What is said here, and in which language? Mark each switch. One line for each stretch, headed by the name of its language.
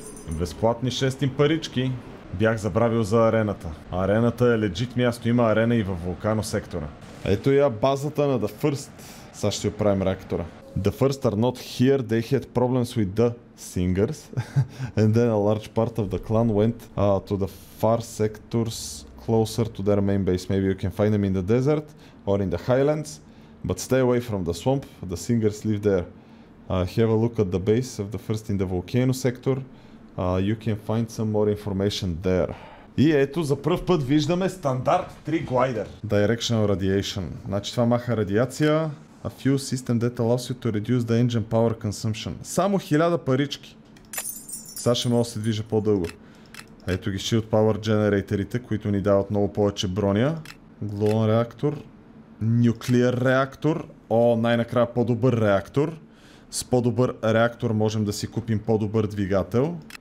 Bulgarian: Безплатни 6 парички. Бях забравил за арената. Арената е легит място, има арена и във вулкано сектора. Ето я базата на The First. Сега ще оправим реактора.
English: The first are not here, they had problems with the singers. And then a large part of the clan went to the far sectors closer to their main base. Maybe you can find them in the desert or in the highlands. But stay away from the swamp, the singers live there. Have a look at the base of the first in the volcano sector. You can find some more information there.
Bulgarian: И ето, за пръв път виждаме стандарт 3 glider.
English: Directional radiation.
Bulgarian: Значи това маха радиация.
English: A fuel system that allows you to reduce the engine power consumption.
Bulgarian: Само 1000 парички. Сега ще мога да се движа по-дълго. Ето ги shield power generator-ите, които ни дават много повече броня.
English: Glowing reactor. Nuclear reactor.
Bulgarian: О, най-накрая по-добър реактор. С по-добър реактор можем да си купим по-добър двигател.